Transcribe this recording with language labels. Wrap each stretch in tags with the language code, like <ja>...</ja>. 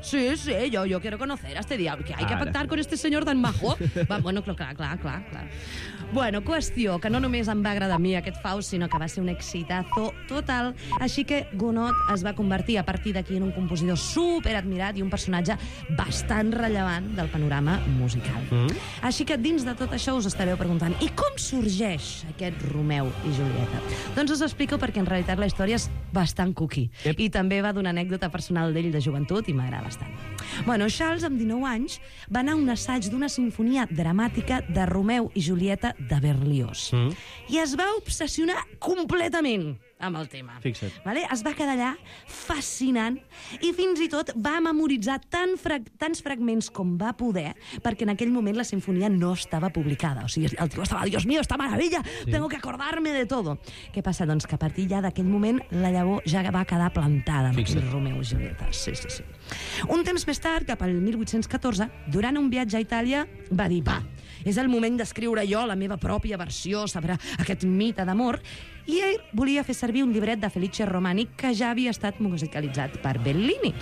<es>Sí, sí, yo quiero conocer a este diablo, que hay que pactar con este señor tan majo.</es> <ca>Va, bueno, clar. Bueno, qüestió, que no només em va agradar a mi aquest Faust, sinó que va ser un exitazo total. Així que Gounod es va convertir a partir d'aquí en un compositor superadmirat i un personatge bastant rellevant del panorama musical. Mm-hmm. Així que dins de tot això us estareu preguntant, i com sorgeix aquest Romeu i Julieta? Doncs us explico, perquè en realitat la història és bastant cuqui. I també va d'una anècdota personal d'ell de joventut i m'agrada bastant. Bueno, Charles, amb 19 anys, va anar a un assaig d'una sinfonia dramàtica de Romeu i Julieta de Berlioz. Mm. I es va obsessionar completament amb el tema. Fixa't. Vale? Es va quedar allà fascinant i fins i tot va memoritzar tants fragments com va poder, perquè en aquell moment la sinfonia no estava publicada. O sigui, el tio estava,</ca> <es>Dios mío, esta maravilla, sí. Tengo que acordarme de todo.</es> <ca>Què passa? Doncs que a partir ja d'aquell moment la llavor ja va quedar plantada amb aquell Romeu i Julieta. Sí, sí, sí. Un temps més tard, cap al 1814, durant un viatge a Itàlia, va dir, va, és el moment d'escriure jo la meva pròpia versió sobre aquest mite d'amor. I ell volia fer servir un llibret de Felice Romani que ja havia estat musicalitzat per Bellini.</ca>